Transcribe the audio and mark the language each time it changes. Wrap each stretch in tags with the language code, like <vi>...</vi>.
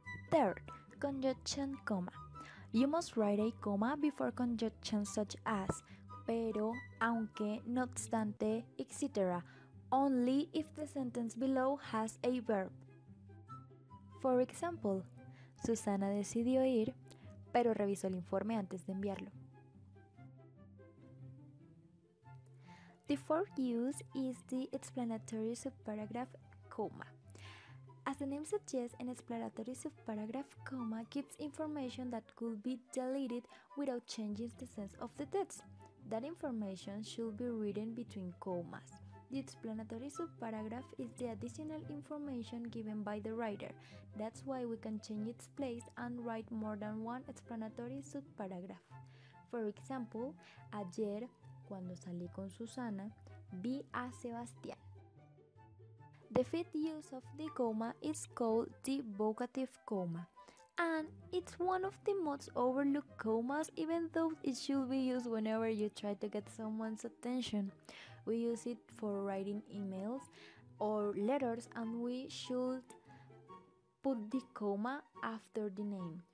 <en>Third, conjunction comma. You must write a comma before conjunctions such as</en> <es>pero, aunque, no obstante,</es> <en>etc. only if the sentence below has a verb. For example,</en> <es>Susana decidió ir, pero revisó el informe antes de enviarlo.</es> <en>The fourth use is the explanatory subparagraph comma. As the name suggests, an explanatory subparagraph comma gives information that could be deleted without changing the sense of the text. That information should be written between commas. The explanatory subparagraph is the additional information given by the writer. That's why we can change its place and write more than one explanatory subparagraph. For example,</en> <es>ayer, cuando salí con Susana, vi a Sebastián.</es> <en>The fifth use of the comma is called the vocative comma, and it's one of the most overlooked commas, even though it should be used whenever you try to get someone's attention. We use it for writing emails or letters, and we should put the comma after the name.</en>